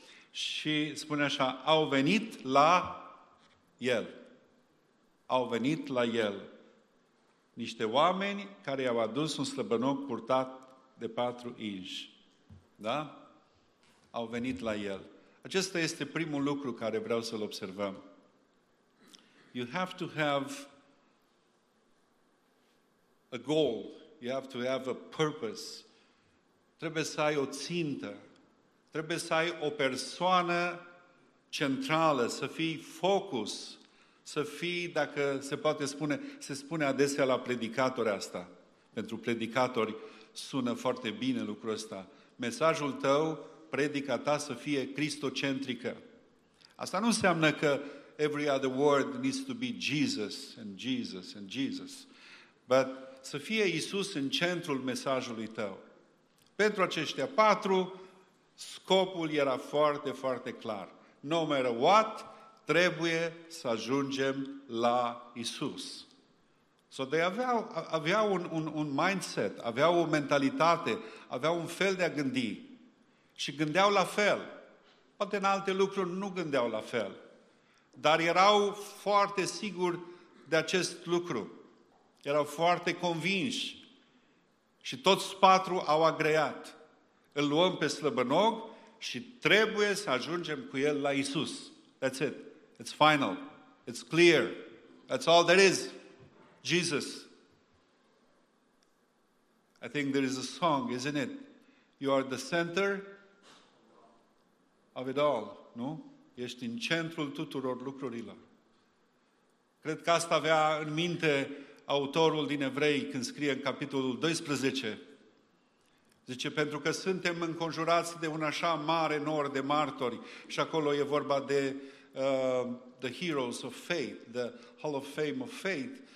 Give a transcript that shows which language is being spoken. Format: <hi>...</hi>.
<ro>Și spune așa, au venit la el. Au venit la el. Niște oameni care i-au adus un slăbănoc purtat de 4 inși. Da? Au venit la el. Acesta este primul lucru care vreau să-l observăm.</ro> <en>You have to have a goal, you have to have a purpose.</en> <ro>Trebuie să ai o țintă, trebuie să ai o persoană centrală, să fii focus, să fii, dacă se poate spune, se spune adesea la predicatori asta, pentru predicatori sună foarte bine lucrul ăsta. Mesajul tău, predica ta să fie cristocentrică. Asta nu înseamnă că</ro> <en>every other word needs to be Jesus and Jesus and Jesus. But</en> <ro>să fie Iisus în centrul mesajului tău. Pentru aceștia patru, scopul era foarte, foarte clar.</ro> <en>No matter what,</en> <ro>trebuie să ajungem la Iisus.</ro> <en>So they</en> <ro>aveau un mindset, aveau o mentalitate, aveau un fel de a gândi și gândeau la fel. Poate în alte lucruri nu gândeau la fel, dar erau foarte siguri de acest lucru. Erau foarte convinși și toți patru au agreat. Îl luăm pe slăbănog și trebuie să ajungem cu el la Iisus.</ro> <en>That's it. It's final. It's clear. That's all there is. Jesus. I think there is a song, isn't it? You are the center of it all, nu?</en> <ro>Ești în centrul tuturor lucrurilor. Cred că asta avea în minte autorul din Evrei când scrie în capitolul 12. Zice, pentru că suntem înconjurați de un așa mare nor de martori. Și acolo e vorba de</ro> <en>the heroes of faith, the hall of fame of faith.</en>